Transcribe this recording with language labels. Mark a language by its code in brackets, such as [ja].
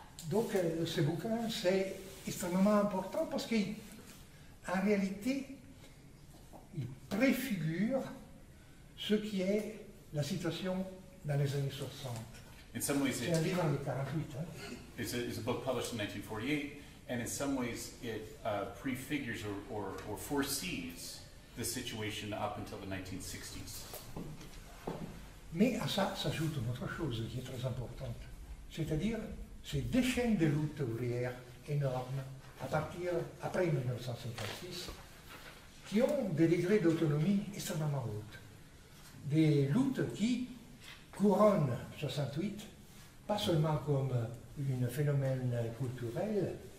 [fr] Donc ce bouquin c'est extrêmement important parce que en réalité il préfigure ce qui est la situation dans les années 60. [en] In some ways, [fr] c'est un livre de 48, hein? [en] It's a book published in 1948. And in some ways, it prefigures or foresees the situation up until the 1960s. [fr] Mais à ça s'ajoute une autre chose qui est très importante, c'est-à-dire ces déchaînes de lutte ouvrière énormes à partir après 1956, qui ont des degrés d'autonomie extrêmement hauts, des luttes qui couronnent 68, pas seulement comme un phénomène culturel.